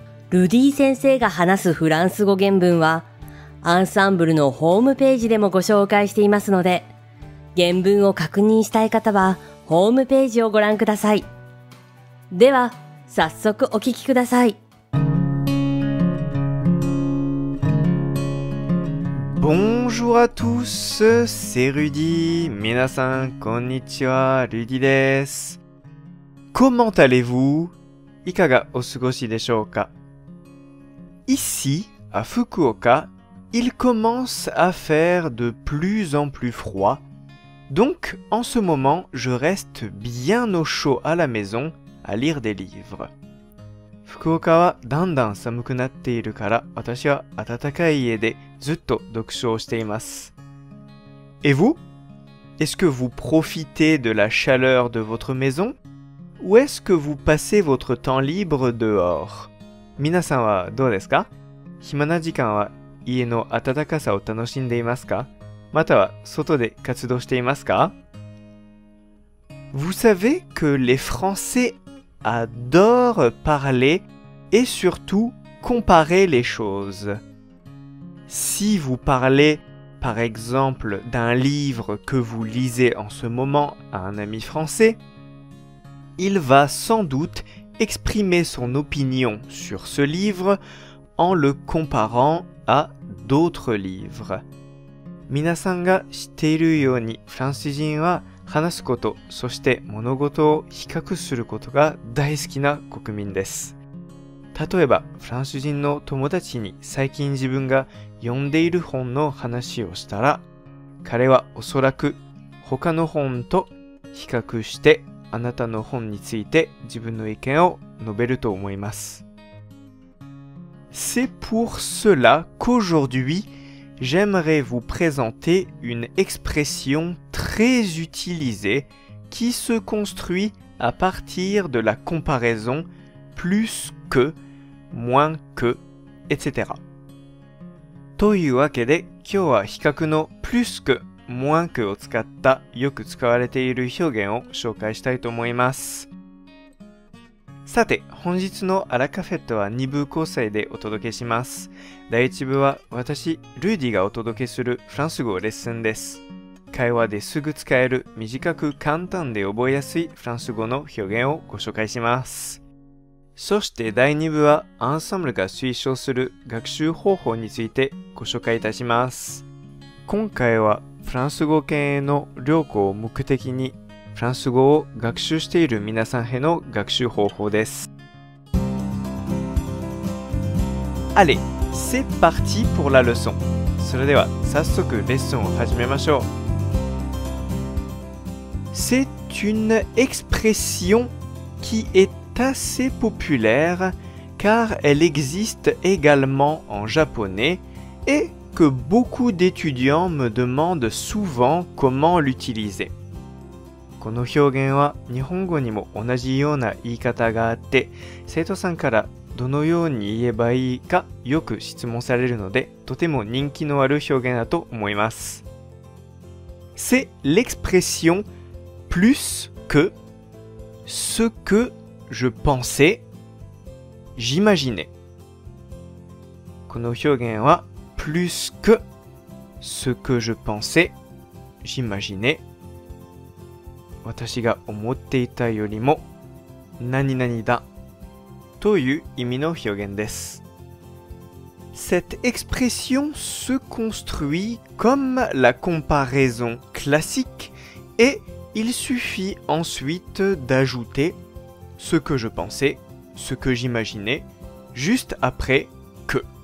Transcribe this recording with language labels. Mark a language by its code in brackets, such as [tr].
[ja] ルディ先生が話すフランス語原文はアンサンブルのホームページでもご紹介していますので、原文を確認したい方はホームページをご覧ください。では、早速お聞きください。 [fr] Bonjour à tous, c'est Rudy. [ja] 皆さん、こんにちは、ルディです。 [fr] Comment allez-vous? [ja] いかがお過ごしでしょうか? [fr] Ici, à Fukuoka, il commence à faire de plus en plus froid. Donc, en ce moment, je reste bien au chaud à la maison. À lire des livres. [ja] Fukuoka はだんだん寒くなっているから、私は暖かい家でずっと読書をしています。 [fr] Et vous? Est-ce que vous profitez de la chaleur de votre maison? Ou est-ce que vous passez votre temps libre dehors? [ja] 皆さんはどうですか? 暇な時間は家の暖かさを楽しんでいますか? または外で活動していますか? [fr] Vous savez que les FrançaisAdore parler et surtout comparer les choses. Si vous parlez, par exemple, d'un livre que vous lisez en ce moment à un ami français, il va sans doute exprimer son opinion sur ce livre en le comparant à d'autres livres. [ja] 皆さんが知っているように、フランス人は話すこと、そして物事を比較することが大好きな国民です。例えば、フランス人の友達に最近自分が読んでいる本の話をしたら、彼はおそらく他の本と比較してあなたの本について自分の意見を述べると思います。 [fr] C'est pour cela qu'aujourd'hui,J'aimerais vous présenter une expression très utilisée qui se construit à partir de la comparaison plus que, moins que, etc. [ja] というわけで、今日は比較の [fr] plus que, moins que [ja] を使ったよく使われている表現を紹介したいと思います。さて、本日のアラカフェットは2部構成でお届けします。第1部は私、ルーディがお届けするフランス語レッスンです。会話ですぐ使える短く簡単で覚えやすいフランス語の表現をご紹介します。そして第2部はアンサンブルが推奨する学習方法についてご紹介いたします。今回はフランス語圏への旅行を目的にフランス語を学習している皆さんへの学習方法です。 [fr] Allez, c'est parti pour la leçon. [ja] それでは早速レッスンを始めましょう。 [fr] C'est une expression qui est assez populaire car elle existe également en japonais et que beaucoup d'étudiants me demandent souvent comment l'utiliser. [ja] この表現は日本語にも同じような言い方があって、生徒さんからどのように言えばいいかよく質問されるので、とても人気のある表現だと思います。 [fr] C'est l'expression plus que ce que je pensais j'imaginais。 [ja] この表現は [fr] plus que ce que je pensais j'imaginais、 [ja] 私が思っていたよりも何々だという意味の表現です。 [fr] Cette expression se construit comme la comparaison classique et il suffit ensuite d'ajouter ce que je pensais ce que j'imaginais juste après que.